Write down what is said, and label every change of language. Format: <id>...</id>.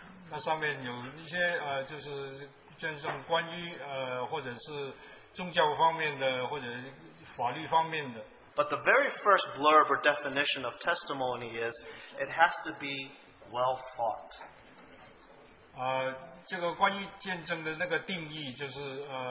<zh>那上面有一些, 就是像关于, 或者是宗教方面的, 或者法律方面的。</zh> <en>But the very first blurb or definition of testimony is it has to be well fought.</en> <zh>这个关于见证的那个定义就是,</zh>